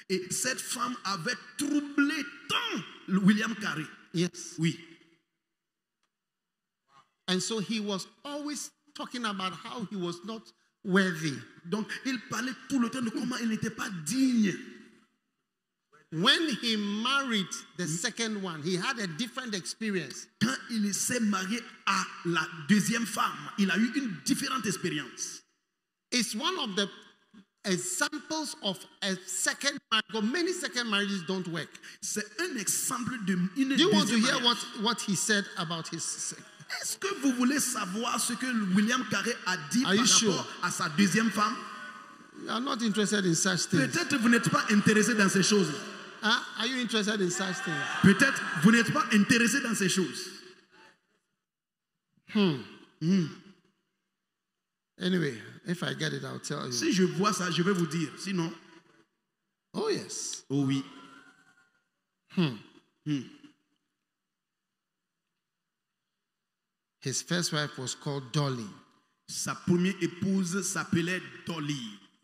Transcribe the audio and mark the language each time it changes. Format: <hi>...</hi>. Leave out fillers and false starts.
<fr>Et cette femme avait troublé tant William Carey.</fr> <en>Yes.</en> <fr>Oui.</fr> <en>And so he was always talking about how he was not worthy.</en> <fr>Donc il parlait tout le temps de comment il n'était pas digne.</fr> <en>When he married the second one, he had a different experience.</en> <fr>Quand il s'est marié à la deuxième femme, il a eu une différente expérience.</fr> <en>It's one of the examples of a second marriage. Many second marriages don't work.</en> <fr>C'est un exemple de une deuxième.</fr> <en>Do you want to marriage? Hear what he said about his second?</en> <fr>Est-ce que vous voulez savoir ce que William Carey a dit par rapport à sa deuxième femme?</fr> <en>You are not interested in such things.</en> <fr>Peut-être vous n'êtes pas intéressé dans ces choses.</fr> <en>Are you interested in such things?</en> <fr>Peut-être vous n'êtes pas intéressé dans ces choses.</fr> <en>Anyway, if I get it, I'll tell you.</en> <fr>Si je vois ça, je vais vous dire. Sinon.</fr> <en>Oh yes.</en> <fr>Oh oui.</fr> <en>His first wife was called Dolly.</en> <fr>Sa première épouse s'appelait Dolly.</fr>